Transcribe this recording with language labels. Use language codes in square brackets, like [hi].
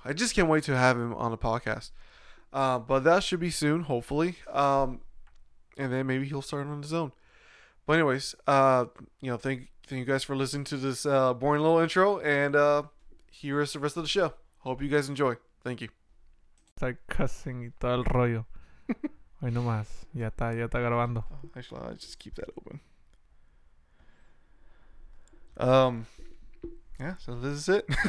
[en] I just can't wait to have him on the podcast. But that should be soon, hopefully. And then maybe he'll start on his own. But anyways, you know, thank you guys for listening to this boring little intro. And here is the rest of the show. Hope you guys enjoy. Thank you. [es] Está cussing y todo el rollo. Hoy no más. Ya está grabando. [en] Actually, I'll just keep that open. Yeah, so this is it.